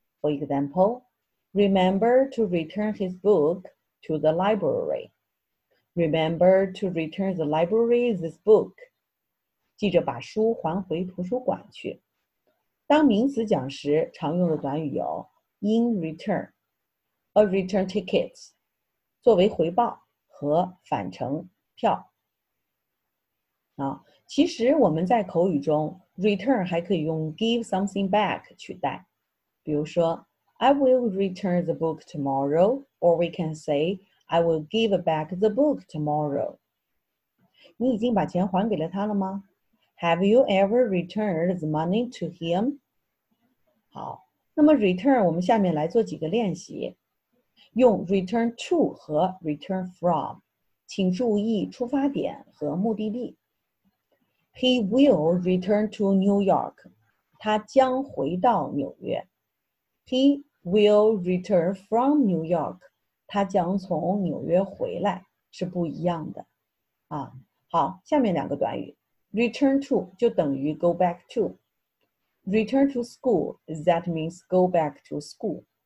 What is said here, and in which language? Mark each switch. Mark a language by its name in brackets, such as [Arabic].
[English] For example, remember to return his book to the library. Remember to return the library this book. [Chinese] 记着把书还回图书馆去。当名词讲时常用的短语有 [English] in return, a return ticket, [Chinese] 作为回报和返程票。其实我们在口语中Return 还可以用 [English] give something back [Chinese] 取代，比如说 [English] I will return the book tomorrow, [Chinese] or we can say I will give back the book tomorrow. 你已经把钱还给了他了吗？ [English] Have you ever returned the money to him? [Chinese] 好，那么 return 我们下面来做几个练习，用 return to 和 return from， 请注意出发点和目的地。 [English] He will return to New York. [Chinese] 他将回到纽约。 [English] He will return from New York. [Chinese] 他将从纽约回来是不一样的啊。好，下面两个短语，return to 就等于 [English] go back to。 Return to school, that means go back to school.